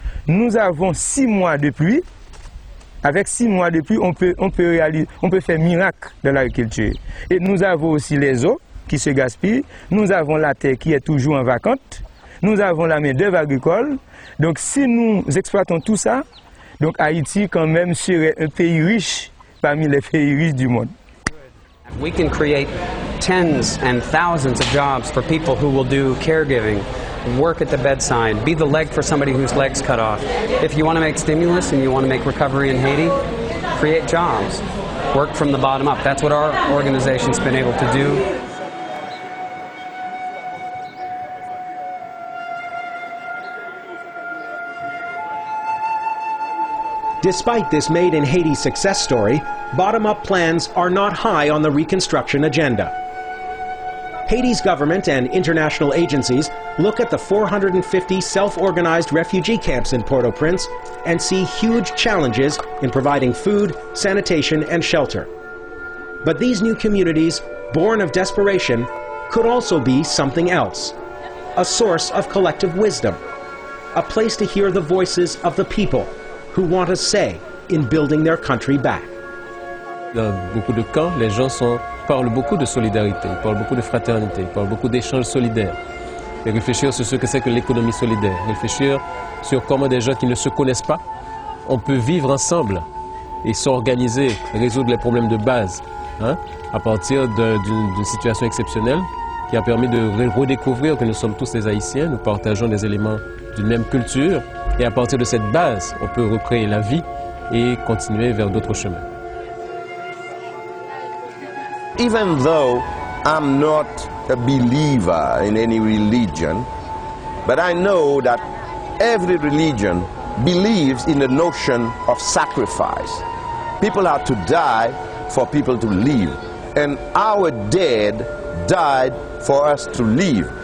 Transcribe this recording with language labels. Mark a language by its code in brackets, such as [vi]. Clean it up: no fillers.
[fr] Nous avons 6 mois de pluie. Avec 6 mois de pluie, on peut réaliser, on peut faire miracle dans l'agriculture. Et nous avons aussi les eaux qui se gaspillent. Nous avons la terre qui est toujours en vacante. Nous avons la main-d'œuvre agricole. Donc si nous exploitons tout ça, donc Haïti quand même serait un pays riche parmi les pays riches du monde. [en] We can create tens and thousands of jobs for people who will do caregiving, work at the bedside, be the leg for somebody whose leg's cut off. If you want to make stimulus and you want to make recovery in Haiti, create jobs. Work from the bottom up. That's what our organization's been able to do. Despite this Made in Haiti success story, bottom-up plans are not high on the reconstruction agenda. Haiti's government and international agencies look at the 450 self-organized refugee camps in Port-au-Prince and see huge challenges in providing food, sanitation, and shelter. But these new communities, born of desperation, could also be something else. A source of collective wisdom. A place to hear the voices of the people who want a say in building their country back. [fr] Dans beaucoup de camps, les gens parlent beaucoup de solidarité, ils parlent beaucoup de fraternité, ils parlent beaucoup d'échanges solidaires. Et réfléchir sur ce que c'est que l'économie solidaire, réfléchir sur comment des gens qui ne se connaissent pas, on peut vivre ensemble et s'organiser, résoudre les problèmes de base, hein, à partir d'une situation exceptionnelle qui a permis de redécouvrir que nous sommes tous des Haïtiens, nous partageons des éléments d'une même culture, et à partir de cette base, on peut recréer la vie et continuer vers d'autres chemins. [en] Even though I'm not a believer in any religion, but I know that every religion believes in the notion of sacrifice. People are to die for people to live. And our dead died for us to live.